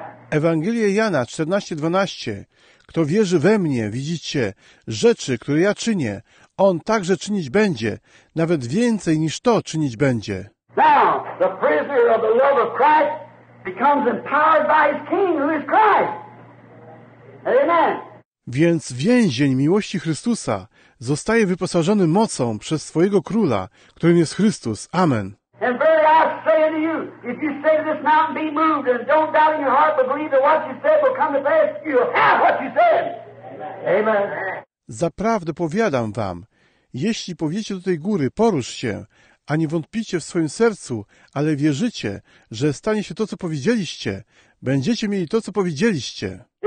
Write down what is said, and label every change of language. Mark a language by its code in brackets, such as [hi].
[pl] Ewangelia Jana 14:12. Kto wierzy we mnie, widzicie, rzeczy, które ja czynię, on także czynić będzie, nawet więcej niż to czynić będzie. [en] Now, the prisoner of the love of Christ becomes empowered by his King, who is Christ. Amen. [pl] Więc więzień miłości Chrystusa zostaje wyposażony mocą przez swojego Króla, którym jest Chrystus. Amen. [en] And verily I say unto you, if you say to this mountain, be moved, and don't doubt in your heart, but believe that what you said will come to pass, you'll have what you said. Amen. [pl] Zaprawdę powiadam wam, jeśli powiecie do tej góry, porusz się, a nie wątpicie w swoim sercu, ale wierzycie, że stanie się to, co powiedzieliście, będziecie mieli to, co powiedzieliście.